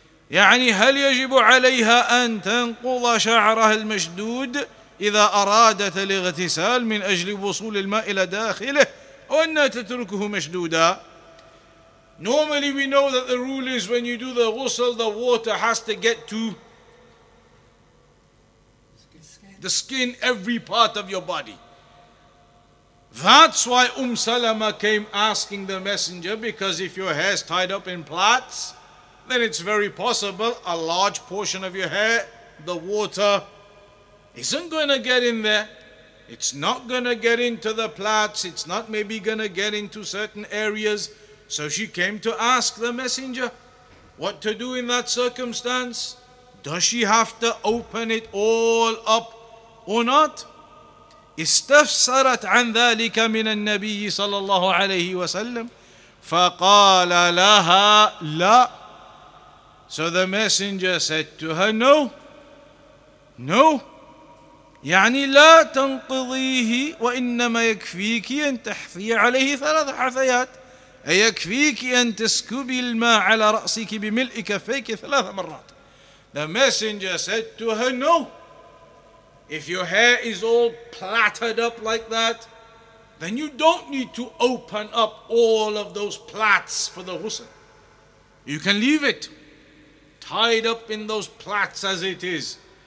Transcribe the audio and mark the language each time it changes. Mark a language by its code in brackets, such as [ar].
[ar] يعني هل يجب عليها أن تنقض شعرها المشدود إذا أرادت الاغتسال من أجل وصول الماء إلى داخله وأن تتركه مشدودا. [en] Normally we know that the rule is when you do the ghusl, the water has to get to the skin, every part of your body. That's why Salama came asking the Messenger, because if your hair is tied up in plaits, then it's very possible a large portion of your hair, the water, isn't going to get in there. It's not going to get into the plaits. It's not maybe going to get into certain areas. So she came to ask the Messenger what to do in that circumstance. Does she have to open it all up or not? [ar] استفسرت عن ذلك من النبي صلى الله عليه وسلم فقال لها لا. [en] So the Messenger said to her, no, [ar] يعني لا تنقضيه وإنما يكفيك أن تحثي عليه ثلاث حثيات أي يكفيك أن تسكبي الماء على رأسك بملء كفيك ثلاث مرات. [en] The Messenger said to her, no, if your hair is all plaited up like that, then you don't need to open up all of those plaits for the ghusl. You can leave it tied up in those plaits as it is.